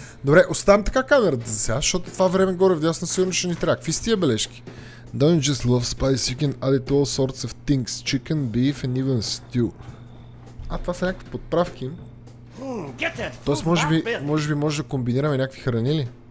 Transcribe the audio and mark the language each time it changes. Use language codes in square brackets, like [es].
[bg] Добре, оставам така камерата за сега, защото това време горе вдясно сигурно ще ни трябва. Какви са тия бележки? [en] Don't just love spice, you can add it all sorts of things. Chicken, beef and even stew. [bg] А, това са някакви подправки. Тоест, може би може да комбинираме някакви храни ли?